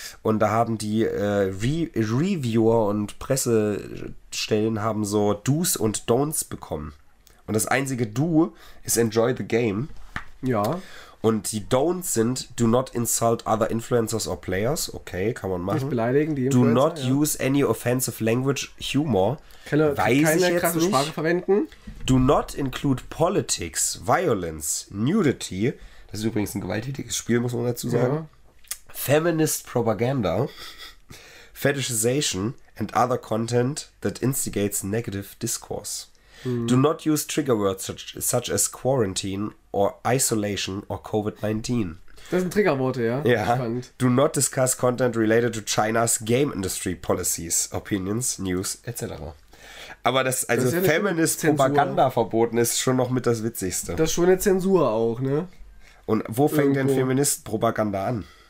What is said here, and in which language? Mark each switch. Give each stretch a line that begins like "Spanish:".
German: Und da haben die Reviewer und Pressestellen haben so Do's und Don'ts bekommen. Und das einzige Do ist
English: Enjoy the Game.
German: Ja. Und die Don'ts sind,
English: do not insult other influencers or players.
German: Okay, kann man machen. Nicht beleidigen die
English: Influencer. Do not use any offensive language humor.
German: Keine krasse Sprache verwenden.
English: Do not include politics, violence, nudity.
German: Das ist übrigens ein gewalttätiges Spiel, muss man dazu sagen.
English: Ja. Feminist propaganda, fetishization and other content that instigates negative discourse. Do not use trigger words such as quarantine or isolation or COVID-19.
German: Das sind Triggerworte, ja?
English: Ja. Do not discuss content related to China's game industry policies, opinions, news, etc.
German: Aber das, also das ja feminist Propaganda verboten ist schon noch mit das Witzigste. Das ist schon eine Zensur auch, ne? Und wo fängt denn Feminist-Propaganda an?